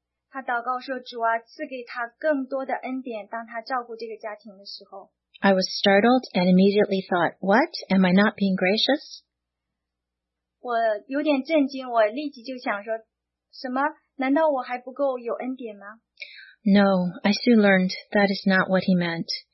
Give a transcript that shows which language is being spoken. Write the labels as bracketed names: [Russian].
[Chinese] 他祷告说，主啊，赐给她更多的恩典，当她照顾这个家庭的时候。 [English] I was startled and immediately thought, what, am I not being gracious? [Chinese] 我有点震惊，我立即就想说， 什么？难道我还不够有恩典吗？ [English] No, I soon learned that is not what he meant.